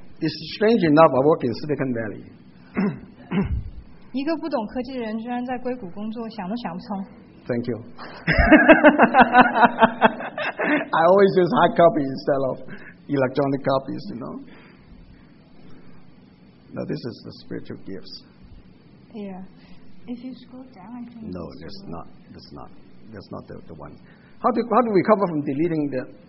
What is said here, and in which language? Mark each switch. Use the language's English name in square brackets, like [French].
[English] It's strange enough, I work in Silicon Valley. [Chinese] 一个不懂科技的人居然在硅谷工作，想都想不通。 [English] Thank you. I always use hard copy instead of electronic copies, you know. Now this is the spiritual gifts. Yeah, if you scroll down, I think. No, that's not. That's not. That's not the one. How do we cover from deleting the?